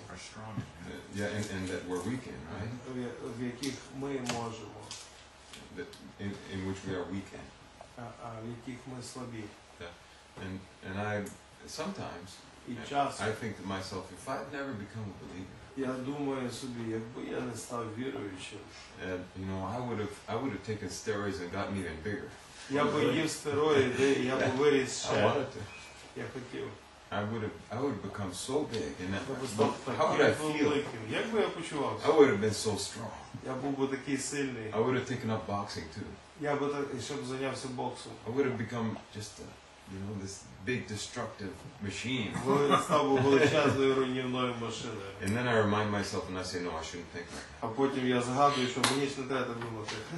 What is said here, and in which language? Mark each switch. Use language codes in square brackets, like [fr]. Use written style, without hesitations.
[en] Are strong. Yeah, and that we're weak in, right? [uk] В яких ми можемо. [en] In which we are weak in. [uk] В яких ми слабі. [en] Yeah. And I sometimes I think to myself, if I've never become a believer. [uk] Я думаю собі, якби я не став віруючим. [en] And you know, I would have taken steroids and gotten even bigger. [uk] Я б їв стероїди, я б виріс ще. Я хотів. [en] I would have become so big and how would I feel? I would have been so strong. [uk] Я був би такий сильний. [en] I would have taken up boxing too. [uk] Я б так, щоб зайнявся боксом. [en] I would have become just a, you know, this big destructive machine. [uk] Став би величезною руйнівною машиною. [en] And then I remind myself and I say, no, I shouldn't think like that. [uk] А потім я згадую, що мені ж не треба думати.